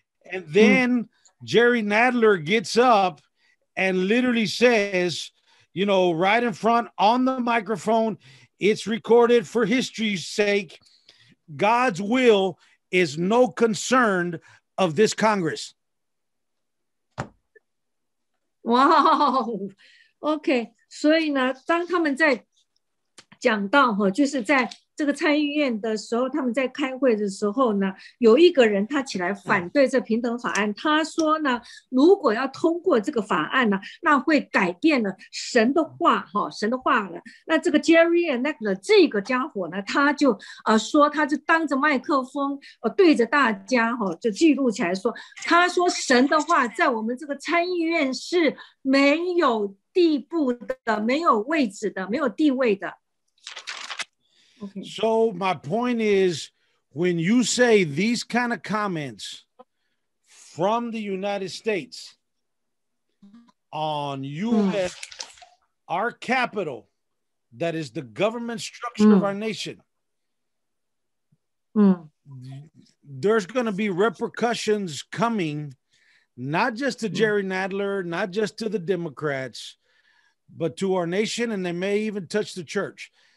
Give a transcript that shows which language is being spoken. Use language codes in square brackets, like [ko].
[en] And then Jerry Nadler gets up and literally says, you know, right in front on the microphone, it's recorded for history's sake, God's will is no concern of this Congress. Wow, OK. [zh] 所以呢，当他们在讲到哈，就是在这个参议院的时候，他们在开会的时候呢，有一个人他起来反对这平等法案，他说呢，如果要通过这个法案呢，那会改变了神的话哈，神的话了。那这个 Jerry Nadler 这个家伙呢，他就说，他就当着麦克风对着大家哈，就记录起来说，他说神的话在我们这个参议院是没有地步的，没有位置的，没有地位的。 [en] So my point is, when you say these kind of comments from the United States on U.S., our capital, that is the government structure of our nation, there's going to be repercussions coming, not just to Jerry Nadler, not just to the Democrats, but to our nation, and they may even touch the church.